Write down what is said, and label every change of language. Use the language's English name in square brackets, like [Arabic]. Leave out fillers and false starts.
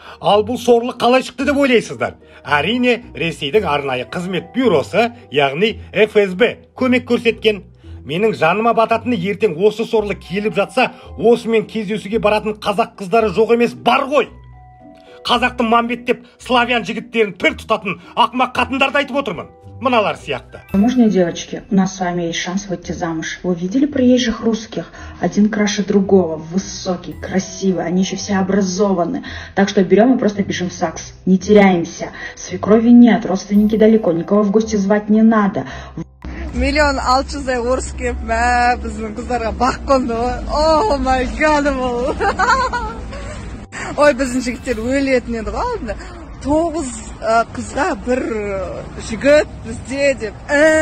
[Kazakh] Ал бұл сорлы қалай шықты деп ойлайсыздар? Әрине, Ресейдің арнайы қызмет бюросы, яғни ФСБ, көмек көрсеткен. Менің жаныма бататыны ертең осы сорлы келіп жатса, осымен кездесуге баратын қазақ қыздары жоқ емес бар ғой. Қазақтың мамбет деп славян жігіттерін пір тұтатын ақмақ қатындарды айтып отырмын. Мыналар сияқты. [Russian] Можно, девочки, у нас с вами есть шанс выйти замуж. Вы видели приезжих русских? Один краше другого, высокий, красивый, они еще все образованы. Так что берем и просто пишем в САГС. Не теряемся. Свекрови нет, родственники далеко, никого в гости звать не надо. [Kazakh] Миллион алчызы орыс келіп, мә, біздің қыздарға бақ қонды. [English] О, май гад, [Kazakh] ол. Ой, біздің жігіттер өлетін еді ғой алдында. 9 қызға бір жігіт бізде деп.